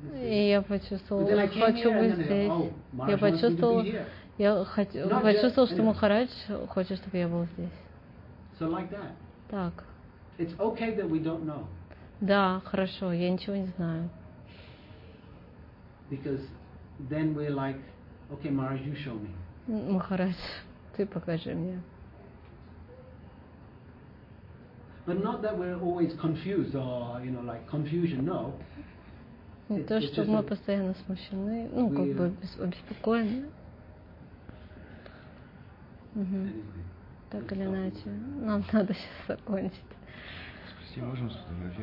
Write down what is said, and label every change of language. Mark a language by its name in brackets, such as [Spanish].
[Russian] И я почувствовала, хочу быть здесь. Я почувствовала. Я почувствовал, что Махарадж хочет, чтобы я был здесь. [English] So like that. [Russian] Так. [English] It's okay that we don't know. [Russian] Да, хорошо, я ничего не знаю. [English] Because then we're like, okay, Maharaj, you show me. [Russian] Махарадж, ты покажи мне. [English] But not that we're always confused or, you know, like confusion, no. [Russian] Не то, что мы постоянно смущены, ну, как бы обеспокоены. Угу. Так или иначе, нам надо сейчас закончить.